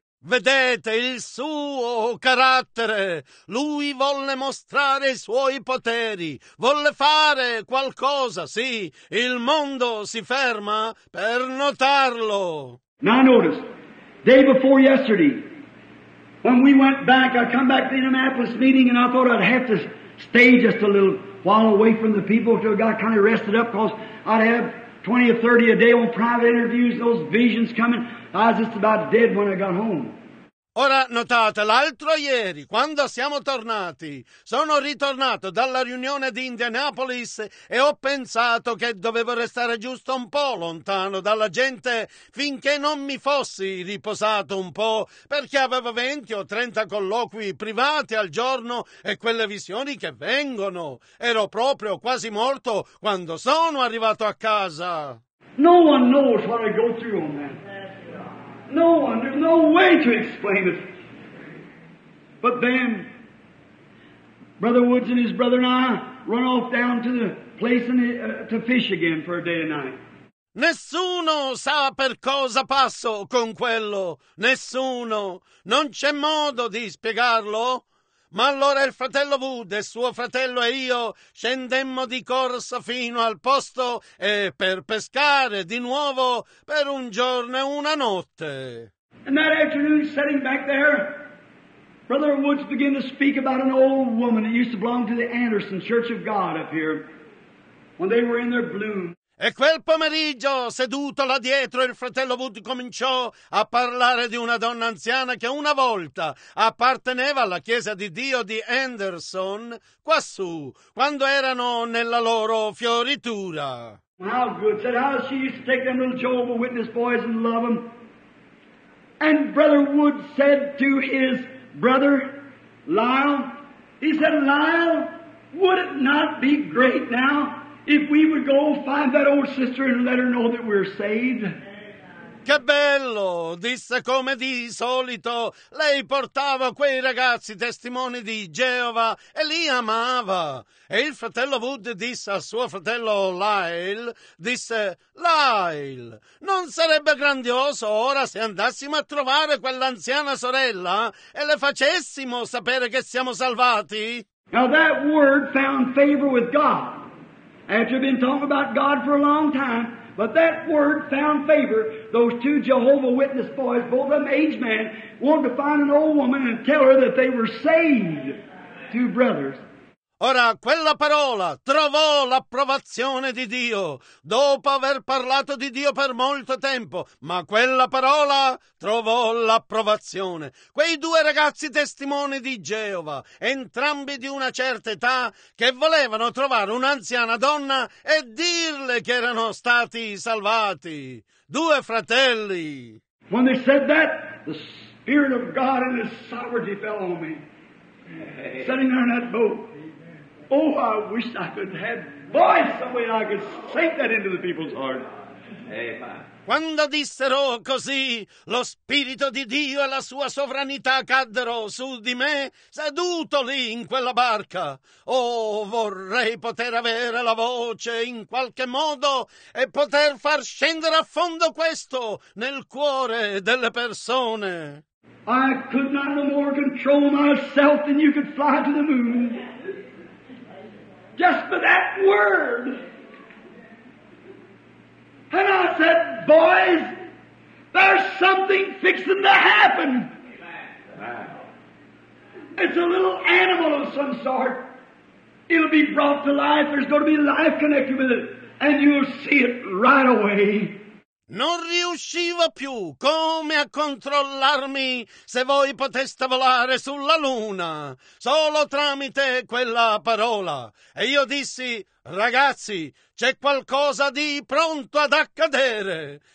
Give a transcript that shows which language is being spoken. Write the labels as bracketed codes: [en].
[it] Vedete il suo carattere. Lui volle mostrare i suoi poteri. Volle fare qualcosa. Sì, il mondo si ferma per notarlo. [en] Now notice. Day before yesterday, when we went back, I come back to the Indianapolis meeting and I thought I'd have to stay just a little while away from the people until I got kind of rested up, because I'd have 20 or 30 a day on private interviews, those visions coming. I was just about dead when I got home. [it] Ora notate, l'altro ieri, quando siamo tornati, sono ritornato dalla riunione di Indianapolis e ho pensato che dovevo restare giusto un po' lontano dalla gente finché non mi fossi riposato un po', perché avevo 20 o 30 colloqui privati al giorno e quelle visioni che vengono. Ero proprio quasi morto quando sono arrivato a casa. [en] No one knows what I go through on that. No one, there's no way to explain it. But then, Brother Woods and his brother and I run off down to the place to fish again for a day and night. [it] Nessuno sa per cosa passo con quello. Nessuno. Non c'è modo di spiegarlo. Ma allora il fratello Wood e suo fratello e io scendemmo di corsa fino al posto e per pescare di nuovo per un giorno e una notte. [en] And that afternoon, sitting back there, Brother Woods began to speak about an old woman that used to belong to the Anderson Church of God up here when they were in their bloom. [it] E quel pomeriggio, seduto là dietro, il fratello Wood cominciò a parlare di una donna anziana che una volta apparteneva alla Chiesa di Dio di Anderson, quassù, quando erano nella loro fioritura. [en] How good, said how she used to take them little Jehovah Witness boys and love them. And Brother Wood said to his brother, Lyle, he said, Lyle, would it not be great now if we would go find that old sister and let her know that we're saved? [it] Che bello, disse come di solito. Lei portava quei ragazzi testimoni di Geova e li amava. E il fratello Wood disse al suo fratello Lyle, disse, Lyle, non sarebbe grandioso ora se andassimo a trovare quell'anziana sorella e le facessimo sapere che siamo salvati? [en] Now that word found favor with God. After been talking about God for a long time, but that word found favor. Those two Jehovah Witness boys, both of them aged men, wanted to find an old woman and tell her that they were saved. Two brothers. [it] Ora, quella parola trovò l'approvazione di Dio dopo aver parlato di Dio per molto tempo, ma quella parola trovò l'approvazione. Quei due ragazzi testimoni di Geova, entrambi di una certa età, che volevano trovare un'anziana donna e dirle che erano stati salvati. Due fratelli. [en] When they said that, the Spirit of God and His sovereignty fell on me. Sitting there in that boat. Oh, I wish I could have voice, some way I could sink that into the people's heart. Amen. [it] Quando dissero così, lo Spirito di Dio e la sua sovranità caddero su di me, seduto lì in quella barca. Oh, vorrei poter avere la voce in qualche modo e poter far scendere a fondo questo nel cuore delle persone. [en] I could not no more control myself than you could fly to the moon. Just for that word. And I said, boys, there's something fixing to happen. It's a little animal of some sort. It'll be brought to life. There's going to be life connected with it. And you'll see it right away. [it] Non riuscivo più come a controllarmi se voi poteste volare sulla luna, solo tramite quella parola. E io dissi, ragazzi, c'è qualcosa di pronto ad accadere.